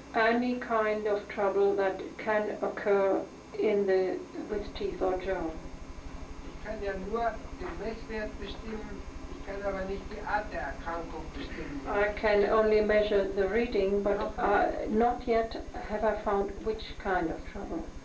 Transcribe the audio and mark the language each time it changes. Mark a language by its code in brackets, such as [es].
[en] Any kind of trouble that can occur in the with teeth or jaw. [de] Ich kann ja nur den Messwert bestimmen, ich kann aber nicht die Art der Erkrankung bestimmen. [en] I can only measure the reading, but not yet have I found which kind of trouble.